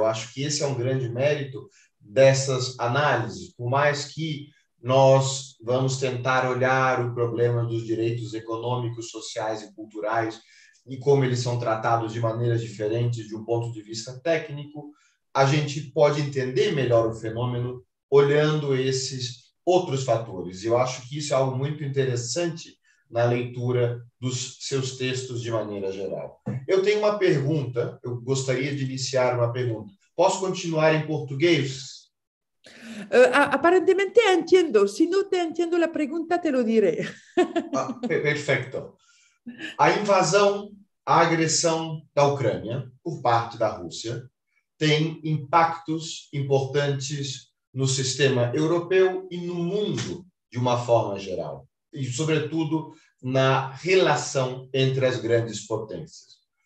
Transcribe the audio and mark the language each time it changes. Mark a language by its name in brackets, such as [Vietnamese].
[Portuguese] Eu acho que esse é um grande mérito dessas análises, por mais que nós vamos tentar olhar o problema dos direitos econômicos, sociais e culturais e como eles são tratados de maneiras diferentes de um ponto de vista técnico, a gente pode entender melhor o fenômeno olhando esses outros fatores. Eu acho que isso é algo muito interessante na leitura dos seus textos de maneira geral. Eu tenho uma pergunta, eu gostaria de iniciar uma pergunta. Posso continuar em português? [Spanish] Aparentemente entiendo, si no te entiendo la pregunta te lo diré. Perfecto. [Portuguese] A invasão, a agressão da Ucrânia por parte da Rússia tem impactos importantes no sistema europeu e no mundo de uma forma geral, e sobretudo na relação entre as grandes potências.